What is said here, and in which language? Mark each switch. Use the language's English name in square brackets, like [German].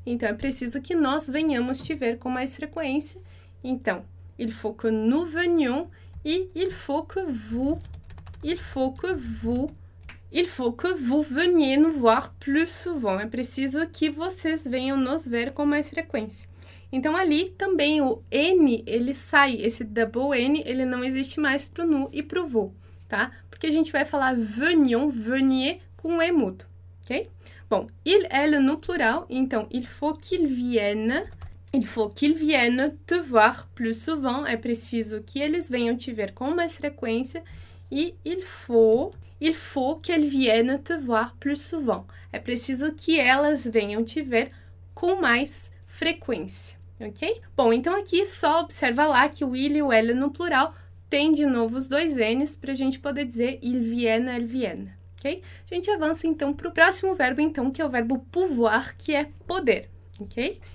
[Portuguese] Então, é preciso que nós venhamos te ver com mais frequência. Então, [French] il faut que nous venions e il faut que vous veniez nous voir plus souvent. [Portuguese] É preciso que vocês venham nos ver com mais frequência. Então, ali também o N, ele sai, esse double N, ele não existe mais para o nu e para o vous, tá? Porque a gente vai falar venion, venier com um E mudo, ok? [French] Bom, il, elle [Portuguese] no plural, então, [French] il faut qu'il vienne te voir plus souvent. [Portuguese] É preciso que eles venham te ver com mais frequência. [French] E il faut qu'elle vienne te voir plus souvent. [Portuguese] É preciso que elas venham te ver com mais frequência, ok? Bom, então aqui só observa lá que o il e o elle no plural tem de novo os dois N's para a gente poder dizer il vienne, elle vienne, ok? A gente avança então para o próximo verbo então, que é o verbo pouvoir, que é poder, ok?